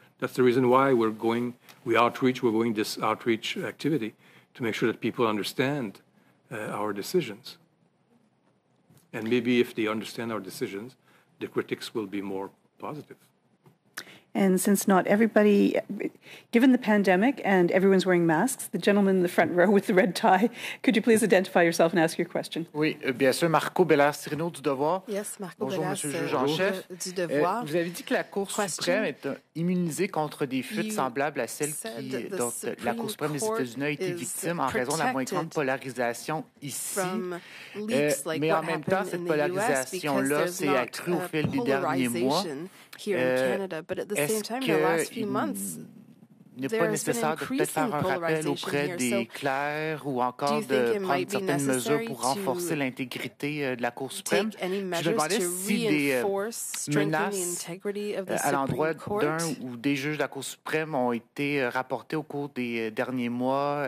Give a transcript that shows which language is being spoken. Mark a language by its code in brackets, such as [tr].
[en] That's the reason why we're going this outreach activity, to make sure that people understand our decisions. And maybe if they understand our decisions, the critics will be more positive. And since not everybody, given the pandemic and everyone's wearing masks, the gentleman in the front row with the red tie, could you please identify yourself and ask your question? [fr] Oui, bien sûr, Marco Bellard-Cyrino du Devoir. [en] Yes, Marco [fr] Bellard-Cyrino du Devoir. Bonjour, Monsieur le juge en chef. Vous avez dit que la Cour suprême est immunisée contre des fuites semblables à celles dont la Cour suprême des États-Unis a été victime en raison de la moins grande polarisation ici. Mais en même temps, cette polarisation-là s'est accrue au fil des derniers mois. [en] Here in Canada, but at the same time, in the last few months, [fr] n'est pas nécessaire de peut-être faire un rappel auprès des clercs ou encore de prendre certaines mesures pour renforcer l'intégrité de la Cour suprême? Je me demandais si des menaces à l'endroit d'un ou des juges de la Cour suprême ont été rapportées au cours des derniers mois.